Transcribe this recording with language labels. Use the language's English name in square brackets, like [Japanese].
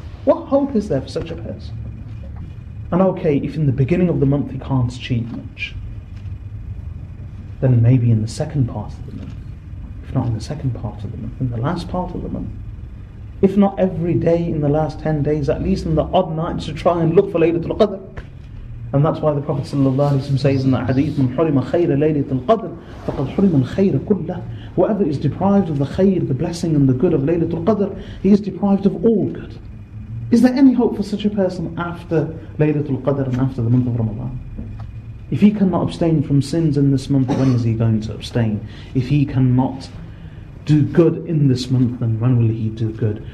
[English] What hope is there for such a person? And okay, if in the beginning of the month he can't achieve much, then maybe in the second part of the month, if not in the second part of the month, in the last part of the month, if not every day in the last 10 days, at least in the odd nights to try and look for Laylatul Qadr. And that's why the Prophet ﷺ says in the hadith, [Arabic] من حرم خير ليلة القدر فقد حرم الخير كله. [English] Whoever is deprived of the khair, the blessing and the good of Laylatul Qadr, he is deprived of all good. Is there any hope for such a person after Laylatul Qadr and after the month of Ramadan? If he cannot abstain from sins in this month, when is he going to abstain? If he cannot do good in this month, then when will he do good?